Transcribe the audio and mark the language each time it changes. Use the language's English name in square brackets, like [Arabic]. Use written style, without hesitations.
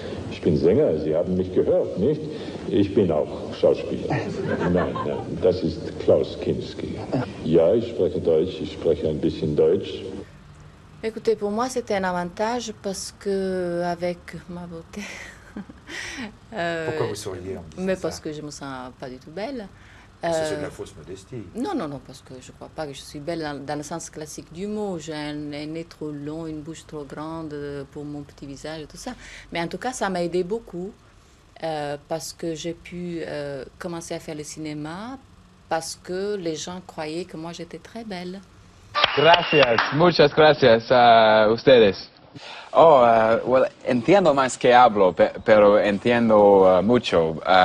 [German] Ich bin Sänger, Sie haben mich gehört, nicht? Ich bin auch Schauspieler. Nein, das ist Klaus Kinski. Ja, ich spreche Deutsch, ich spreche ein bisschen Deutsch. [French] Écoutez, pour moi c'était un avantage parce que avec ma beauté. Pourquoi vous souriez? Mais parce que je me sens pas du tout belle. C'est de la fausse modestie. Non, parce que je ne crois pas que je suis belle dans le sens classique du mot. J'ai un nez trop long, une bouche trop grande pour mon petit visage, tout ça. Mais en tout cas, ça m'a aidé beaucoup parce que j'ai pu commencer à faire le cinéma parce que les gens croyaient que moi, j'étais très belle. [Spanish] Gracias, muchas gracias a ustedes. [English] Oh, well, [Spanish] entiendo más que hablo, pero entiendo mucho.